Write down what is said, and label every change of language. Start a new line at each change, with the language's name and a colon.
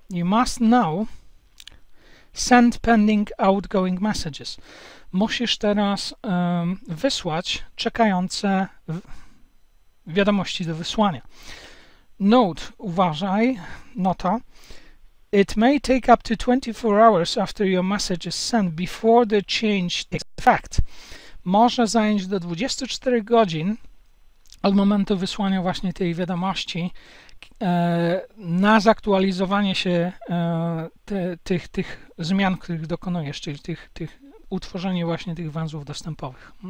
English: You must now send pending outgoing messages.
Polish: Musisz teraz wysłać czekające wiadomości do wysłania. Note, uważaj, nota.
English: It may take up to 24 hours after your message is sent before the change takes effect.
Polish: Może zająć do 24 godzin od momentu wysłania właśnie tej wiadomości na zaktualizowanie się tych zmian, których dokonujesz, czyli tych utworzenie właśnie tych węzłów dostępowych.